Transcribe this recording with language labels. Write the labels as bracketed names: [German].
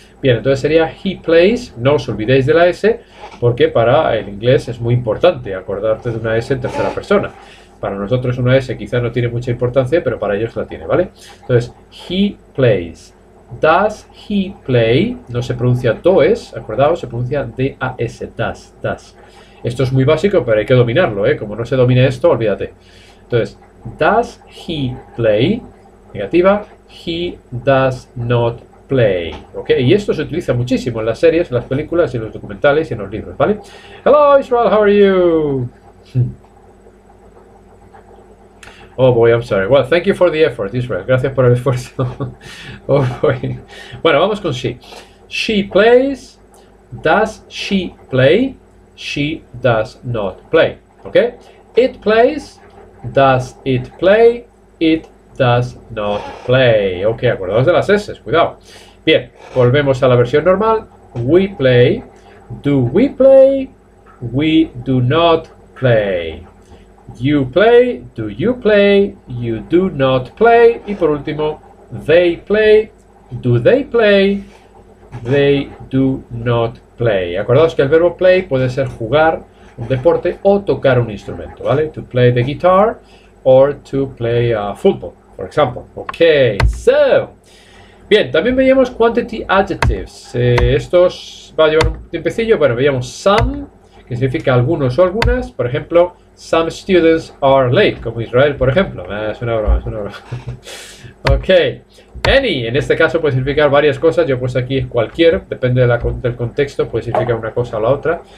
[Spanish] Bien, entonces sería [English] he plays, [Spanish] no os olvidéis de la S, porque para el inglés es muy importante acordarte de una S en tercera persona. Para nosotros una S quizá no tiene mucha importancia, pero para ellos la tiene, ¿vale? Entonces, [English] he plays, does he play, [Spanish] no se pronuncia does, acordaos, se pronuncia D-A-S, does, does. Esto es muy básico, pero hay que dominarlo, ¿eh? Como no se domine esto, olvídate. Entonces, [English] does he play, [Spanish] negativa, [English] he does not play. [Spanish] Play, ok, y esto se utiliza muchísimo en las series, en las películas, en los documentales y en los libros, ¿vale? [English] Hello Israel, how are you? Oh boy, I'm sorry. Well, thank you for the effort, Israel. [Spanish] Gracias por el esfuerzo. [English] Oh boy. [Spanish] Bueno, vamos con [English] she. She plays. Does she play? She does not play. ¿Ok? It plays. Does it play? It does not play. [Spanish] Ok, acordaos de las S's. Cuidado. Bien, volvemos a la versión normal. [English] We play. Do we play? We do not play. You play, do you play, you do not play. [Spanish] Y por último, [English] they play, do they play, they do not play. [Spanish] Acordaos que el verbo play puede ser jugar un deporte o tocar un instrumento, ¿vale? [English] To play the guitar or to play football, for example. [Spanish] Ok, so. Bien, también veíamos quantity adjectives. Estos, va a llevar un tiempecillo, bueno, veíamos some, que significa algunos o algunas. Por ejemplo, [English] some students are late, [Spanish] como Israel, por ejemplo. Es una broma, es una broma. Ok. Any, en este caso puede significar varias cosas. Yo he puesto aquí cualquier, depende de del contexto, puede significar una cosa o la otra.